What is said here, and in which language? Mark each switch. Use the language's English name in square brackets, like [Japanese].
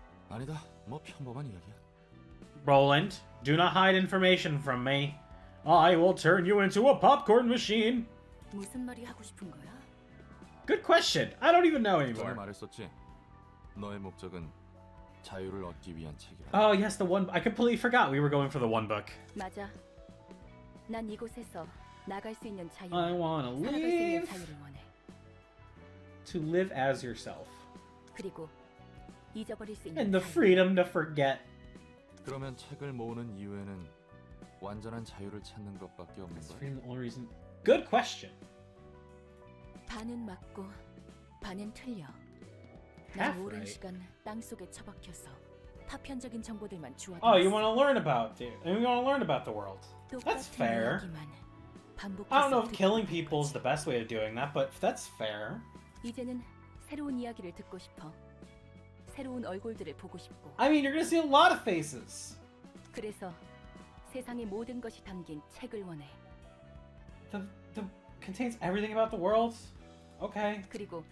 [Korean] 아니다, 뭐 평범한 이야기야. [English] Roland, do not hide information from me. I will turn you into a popcorn machine. [Korean] 무슨 말이 하고 싶은 거야? [English] Good question. I don't even know anymore. [Korean] 전에 말했었지. 너의 목적은 자유를 얻기 위한 책이라. [English] Oh yes, the one. I completely forgot we were going for the one book. [Korean] 맞아. 난 이곳에서 나갈 수 있는 자유. [English] I wanna live. To live as yourself. [Korean] 그리고 잊어버릴 수 있는. [English] And the freedom to forget. [Korean] 그러면 책을 모으는 이유에는 완전한 자유를 찾는 것밖에 없는 거야. [English] That's the only reason. Good question. [Korean] 반은 맞고 반은 틀려. [English] Half right. Oh, you want to learn about it? You want to learn about the world? That's fair. I don't know if killing people is the best way of doing that, but that's fair. [Korean] 이제는 새로운 이야기를 듣고 싶어. 새로운 얼굴들을 보고 싶고. [English] I mean, you're gonna see a lot of faces. [Korean] 그래서 세상의 모든 것이 담긴 책을 원해. [English] The contains everything about the world. Okay. [Korean] 그리고